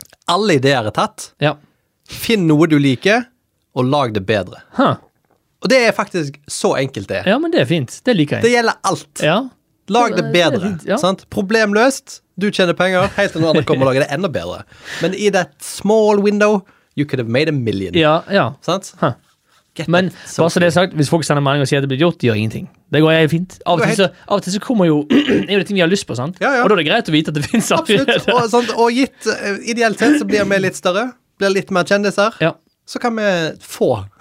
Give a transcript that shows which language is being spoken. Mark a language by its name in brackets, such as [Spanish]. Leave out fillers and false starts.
[Norwegian] Alle ideer er tatt. Ja. Finn noe du liker, og lag det bedre. Ha. Og det er faktisk så enkelt det. Ja, men det er fint. Det liker jeg. Det gjelder alt. Ja. Lag det bedre, det fint, ja. Sant? Problemløst, du tjener penger, helt til noen andre kommer og lager det enda bedre. Men i [English] that small window, you could have made a million. [Norwegian] Ja, ja. Sant? Ha. Get men so bare så det er sagt, hvis folk sender mening og sier at det blir gjort, de gjør ingenting. Det går helt fint. Av og til, så kommer jo, er jo det ting vi har lyst på, sant? Ja, ja. Og da er det greit å vite at det finnes alt. Absolutt. Og, sant, og gitt, ideelt sett, så blir vi litt større. Blir litt mer kjendiser. Ja. Så kan vi få.